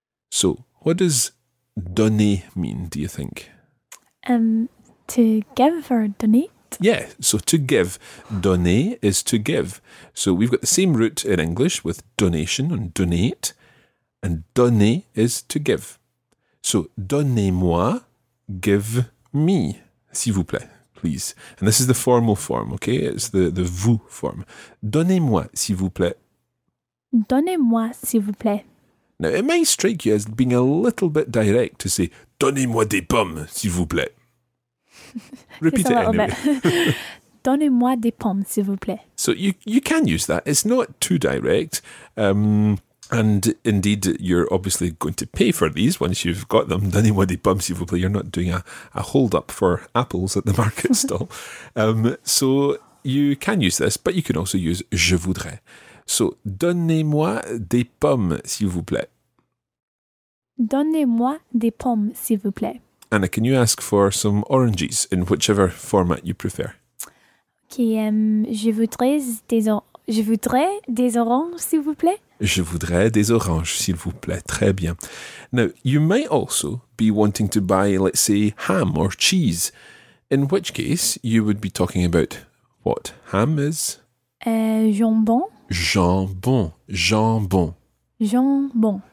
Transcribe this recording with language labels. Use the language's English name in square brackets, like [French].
[English] So, what does donner mean, do you think? To give or donate? Yeah, so to give. Donner is to give. So we've got the same root in English with donation and donate. And donner is to give. So [French] donnez-moi, [English] give me, [French] s'il vous plaît, [English] please. And this is the formal form, okay? It's the vous form. [French] Donnez-moi, s'il vous plaît. Donnez-moi, s'il vous plaît. [English] Now, it may strike you as being a little bit direct to say, [French] donnez-moi des pommes, s'il vous plaît. [English] Repeat it anyway. [French] Donnez-moi des pommes, s'il vous plaît. [English] So you can use that. It's not too direct. And indeed, you're obviously going to pay for these once you've got them. [French] Donnez-moi des pommes, s'il vous plaît. [English] You're not doing a hold-up for apples at the market stall. So you can use this, but you can also use [French] je voudrais. So, donnez-moi des pommes, s'il vous plaît. Donnez-moi des pommes, s'il vous plaît. [English] Anna, can you ask for some oranges in whichever format you prefer? [French] Okay, je voudrais des oranges, s'il vous plaît. Je voudrais des oranges, s'il vous plaît. Très bien. [English] Now, you might also be wanting to buy, let's say, ham or cheese, in which case you would be talking about what ham is? [French] Jambon. Jambon. Jambon. Jambon.